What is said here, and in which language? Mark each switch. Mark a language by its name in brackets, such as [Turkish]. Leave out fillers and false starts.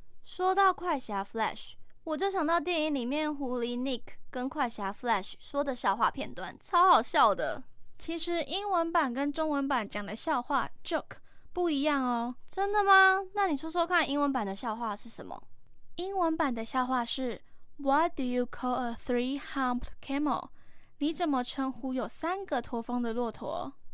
[Chinese] 说到快侠 Flash，我就想到电影里面狐狸 Nick 跟快侠 Flash 说的笑话片段，超好笑的。其实英文版跟中文版讲的笑话 joke 不一样哦。真的吗？那你说说看英文版的笑话是什么？英文版的笑话是 [English] What do you call a three-humped camel? [Chinese] 你怎么称呼有三个驼峰的骆驼？